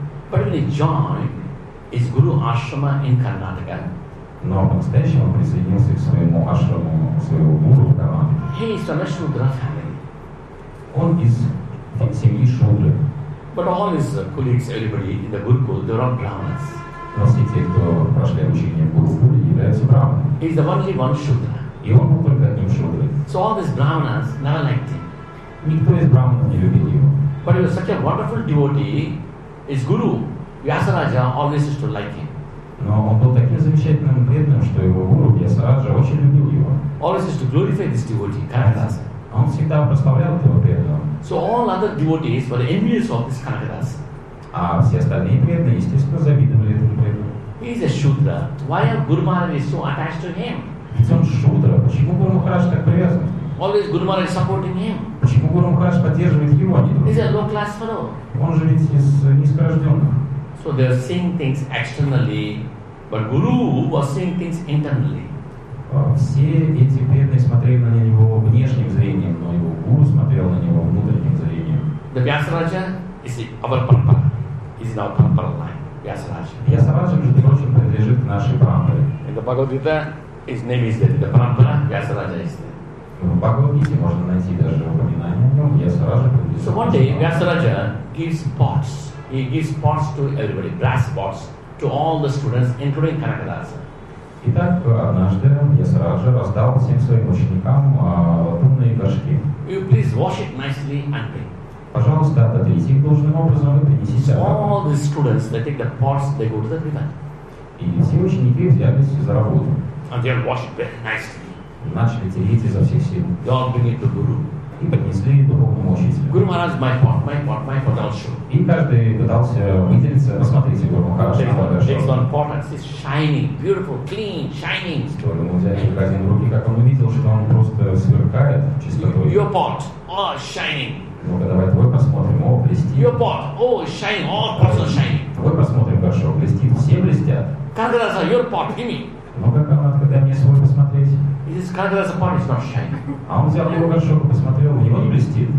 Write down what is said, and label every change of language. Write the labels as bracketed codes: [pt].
[en] But when he joined his guru ashrama in Karnataka. [ru] Но по-настоящему он присоединился к своему ашраму, к своему гуру в Каранте. [en] He is from a Shudra family. [ru] Он из семьи Шудры. [en] But all his colleagues, everybody in the Gurukul, they are all Brahmins. [ru] Но все те, кто прошли обучение в Гурукуле, являются Брахманами. [en] He is the only one Shudra. [ru] И он был только одним Шудрой. [en] So all these Brahmins never liked him. [ru] Никто из Брахманов не любил его. [en] But he was such a wonderful devotee, his guru, Vyasaraja, always used to like him. [ru] Но он был таким замечательным преданным, что его гуру Вьясараджа очень любил его. [en] Always used to glorify this devotee, Kanakadasa. [ru] Он всегда прославлял этого преданного. [en] So all other devotees were envious of this Kanakadasa. [ru] А все остальные преданные, естественно, завидовали этому преданному. [en] He is a Shudra. Why are Guru Maharaj so attached to him? [ru] Ведь он Шудра. Почему Гуру Махарадж так привязан? [en] Always Guru Maharaj is supporting him. [ru] Почему Гуру Махарадж поддерживает его, а не другого? [en] He is a low class fellow. [ru] Он же ведь из низкорожденных. [en] So they are seeing things externally, but Guru was seeing things internally. [ru] Все эти преданные смотрели на него внешним зрением, но его гуру смотрел на него внутренним зрением. [en] The Vyasaraja is our parampara. He is in our parampara line. Vyasaraja. [ru] Vyasaraja, между прочим, принадлежит к нашей парампаре. [en] In the Bhagavad Gita, his name is there. The parampara, Vyasaraja is there. [ru] В Бхагавад Гите можно найти даже упоминание о нем. Вьясараджа принадлежит. [en] So one day, Vyasaraja gives pots. He gives pots to everybody, brass pots, to all the students, including Kanakadasa. [ru] Итак, однажды Вьясараджа раздал всем своим ученикам латунные горшки. [en] You please wash it nicely and bring. [ru] Пожалуйста, отоприте их должным образом и принесите обратно. [en] All the students, they take the pots, they go to the river. [ru] И все ученики взялись за работу. [en] And they wash it very nicely. [ru] Начали тереть изо всех сил. [en] Don't bring it to Guru. [ru] И поднесли духовному учителю. [en] Guru Maharaj, my pot, my pot, my pot, I'll show. [ru] И каждый пытался выделиться. Посмотрите, Guru Maharaj, что подошел. [en] Takes one pot and says, shining, beautiful, clean, shining. [ru] Стоило ему взять их один в руки, как он увидел, что он просто сверкает чистотой. [en] Your pot, oh, shining. [ru] Ну-ка, давай твой посмотрим, о, блестит. [en] Your pot, oh, shining, all pots are shining. [ru] Твой посмотрим, хорошо, блестит, все блестят. [en] Kanakadasa, your pot, give me. [ru] Ну-ка, Kanakadasa, дай мне свой посмотреть. [en] This Kanakadasa pot is not shining. [ru] А он взял его горшок, посмотрел, его не блестит.